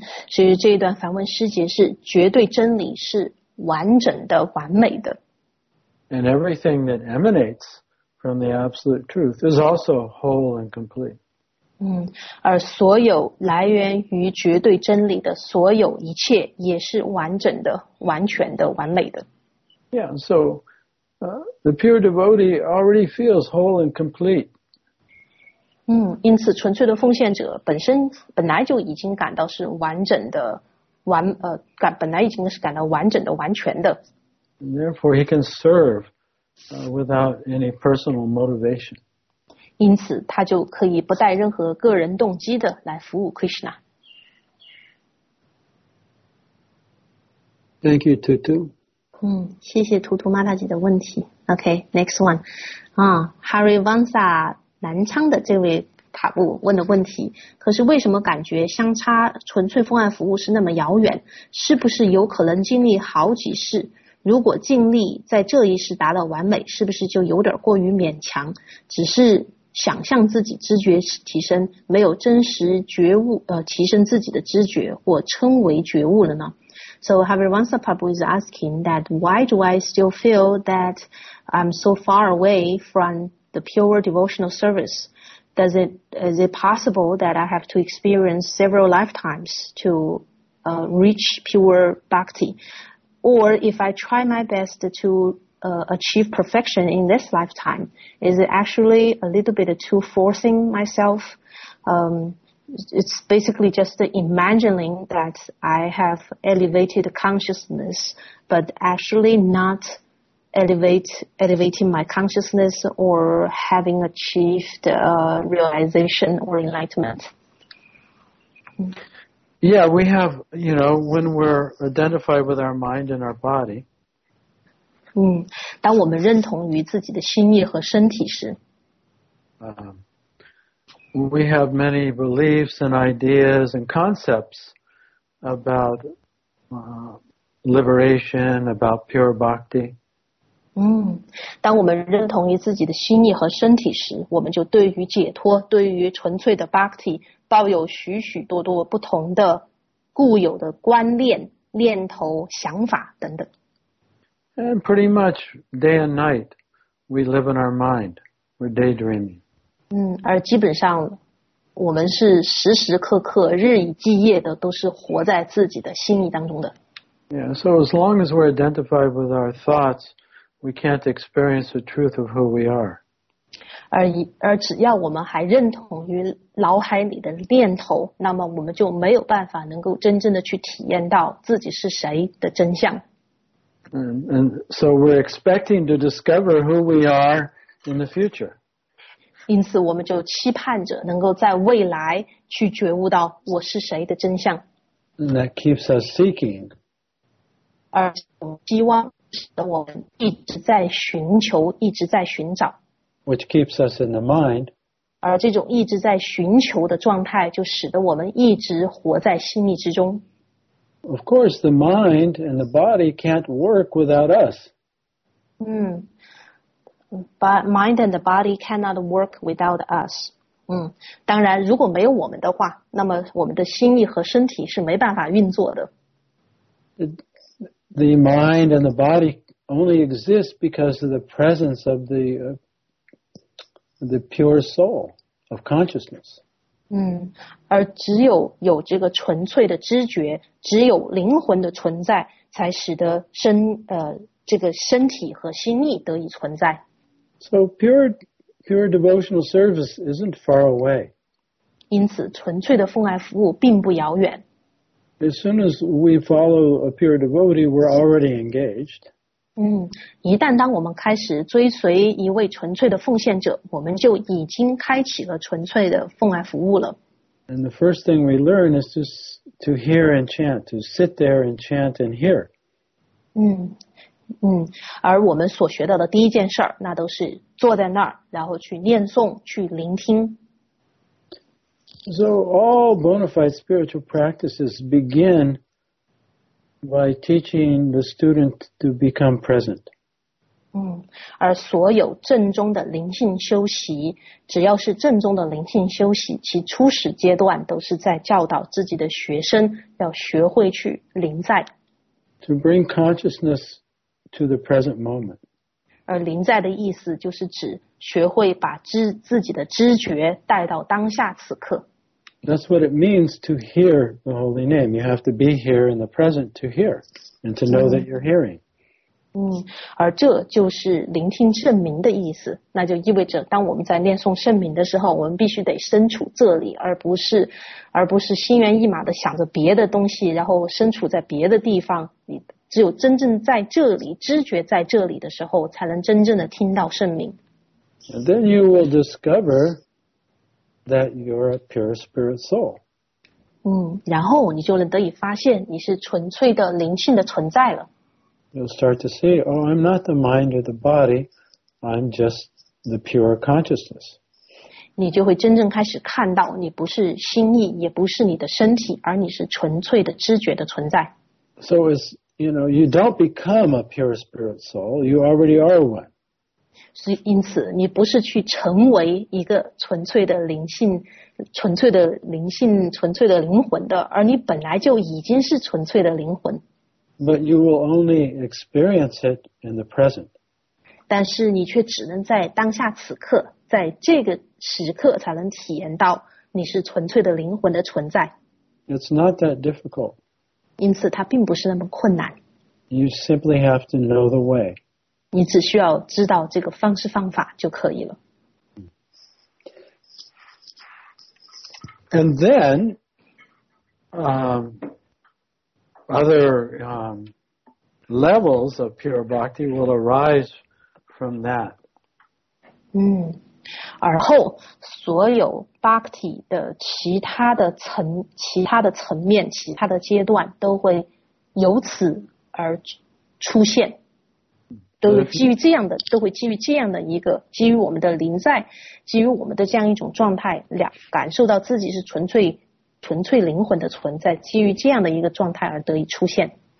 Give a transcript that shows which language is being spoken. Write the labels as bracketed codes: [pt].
[zh] 所以这一段梵文诗节是绝对真理，是完整的、完美的。 [en] And everything that emanates. From the absolute truth is also whole and complete. [zh] 而所有来源于绝对真理的所有一切也是完整的、完全的、完美的。 [en] Yeah, so the pure devotee already feels whole and complete. [zh] 因此纯粹的奉献者本来就已经感到是完整的、本来已经是感到完整的、完全的。 [en] And therefore, he can serve. Without any personal motivation. [zh] 因此他就可以不带任何个人动机的来服务 Krishna. [en] Thank you, Tutu. [zh] 谢谢 Tutu Mataji 的问题。 [en] OK, next one. [zh] Hari Vansa 南昌的这位塔布问的问题，可是为什么感觉相差纯粹奉爱服务是那么遥远？是不是有可能经历好几世？如果尽力在这一世达到完美，是不是就有点过于勉强？只是想象自己知觉提升，没有真实觉悟，提升自己的知觉，或称为觉悟了呢？ [en] So Harvey Wansapapu is asking that why do I still feel that I'm so far away from the pure devotional service? Is it possible that I have to experience several lifetimes to reach pure bhakti? Or if I try my best to achieve perfection in this lifetime, is it actually a little bit too forcing myself? It's basically just imagining that I have elevated consciousness, but actually not elevating my consciousness or having achieved realization or enlightenment. Yeah, we have, you know, when we're identified with our mind and our body. [zh] 当我们认同于自己的心意和身体时。 [en] We have many beliefs and ideas and concepts about liberation, about pure bhakti. [zh] 当我们认同于自己的心意和身体时，我们就对于解脱，对于纯粹的 bhakti， 抱有许许多多不同的固有的观念、念头、想法等等。 [en] And pretty much day and night, we live in our mind. We're daydreaming. [zh] 而基本上我们是时时刻刻日以继夜的都是活在自己的心意当中的。 [en] Yeah, so as long as we're identified with our thoughts, we can't experience the truth of who we are. [zh] 而只要我们还认同于脑海里的念头，那么我们就没有办法能够真正的去体验到自己是谁的真相。 [en] And so we're expecting to discover who we are in the future. [zh] 因此我们就期盼着能够在未来去觉悟到我是谁的真相。 [en] And that keeps us seeking. [zh] 而希望使得我们一直在寻求，一直在寻找。 [en] Which keeps us in the mind. [zh] 而这种一直在寻求的状态就使得我们一直活在心意之中。 [en] Of course, the mind and the body can't work without us. But mind and the body cannot work without us. [zh] 当然如果没有我们的话，那么我们的心意和身体是没办法运作的。 [en] The mind and the body only exist because of the presence of the pure soul of consciousness. [zh] 而只有有这个纯粹的知觉，只有灵魂的存在，才使得这个身体和心意得以存在。 [en] So pure devotional service isn't far away. [zh] 因此，纯粹的奉爱服务并不遥远。 [en] As soon as we follow a pure devotee, we're already engaged. [zh] 一旦当我们开始追随一位纯粹的奉献者，我们就已经开启了纯粹的奉爱服务了。 [en] And the first thing we learn is just to hear and chant, to sit there and chant and hear. [zh] 而我们所学到的第一件事儿，那都是坐在那儿，然后去念诵，去聆听。 [en] So all bona fide spiritual practices begin by teaching the student to become present. [zh] 而所有正宗的灵性修习，只要是正宗的灵性修习，其初始阶段都是在教导自己的学生要学会去临在。 [en] To bring consciousness to the present moment. [zh] 而临在的意思就是指学会把自己的知觉带到当下此刻。 [en] That's what it means to hear the holy name. You have to be here in the present to hear and to know that you're hearing. [zh] 而这就是聆听圣名的意思，那就意味着当我们在念诵圣名的时候，我们必须得身处这里，而不是心猿意马的想着别的东西，然后身处在别的地方。只有真正在这里，知觉在这里的时候，才能真正的听到圣名。 [en] And then you will discover that you're a pure spirit soul. [zh] 然后你就能得以发现你是纯粹的灵性的存在了。 [en] You'll start to see, oh, I'm not the mind or the body, I'm just the pure consciousness. [zh] 你就会真正开始看到你不是心意，也不是你的身体，而你是纯粹的知觉的存在。 [en] So, you don't become a pure spirit soul, you already are one. [zh] 所以因此你不是去成为一个纯粹的灵性，纯粹的灵性，纯粹的灵魂的，而你本来就已经是纯粹的灵魂。 [en] But you will only experience it in the present. [zh] 但是你却只能在当下此刻，在这个时刻才能体验到你是纯粹的灵魂的存在。 [en] It's not that difficult. [zh] 因此它并不是那么困难。 [en] You simply have to know the way. [zh] 你只需要知道这个方式方法就可以了。 [en] And then, other levels of pure bhakti will arise from that. [zh] 而后所有 bhakti 的其他的层，其他的层面，其他的阶段都会由此而出现，都会基于这样的，都会基于这样的一个，基于我们的临在，基于我们的这样一种状态，感受到自己是纯粹纯粹灵魂的存在，基于这样的一个状态而得以出现。